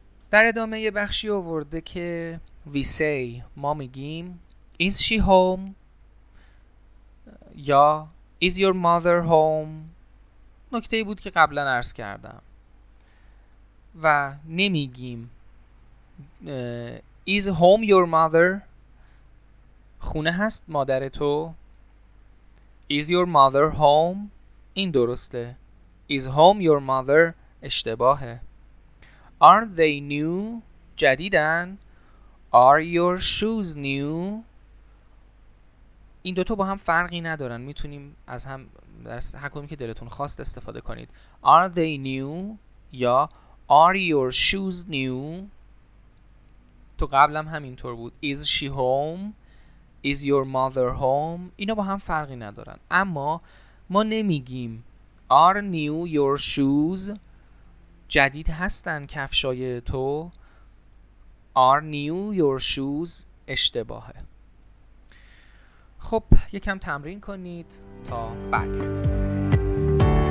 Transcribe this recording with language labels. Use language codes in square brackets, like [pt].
[fa] در ادامه یه بخشی آورده که [en] we say، [fa] ما میگیم [en] is she home؟ [fa] یا [en] Is your mother home؟ [fa] نکته بود که قبلا عرض کردم و نمیگیم [en] Is home your mother؟ [fa] خونه هست مادر تو؟ Is your mother home؟ این درسته. [en] Is home your mother؟ [fa] اشتباهه. [en] Are they new؟ [fa] جدیدن. [en] Are your shoes new؟ [fa] این دوتا با هم فرقی ندارن، میتونیم از هم در هر کدومی که دلتون خواست استفاده کنید. [en] Are they new یا Are your shoes new؟ [fa] تو قبلا هم همینطور بود. [en] Is she home؟ Is your mother home؟ [fa] اینا با هم فرقی ندارن. اما ما نمیگیم [en] Are new your shoes؟ [fa] جدید هستن کفشای تو؟ Are new your shoes؟ اشتباهه. خب یکم تمرین کنید تا برگردید.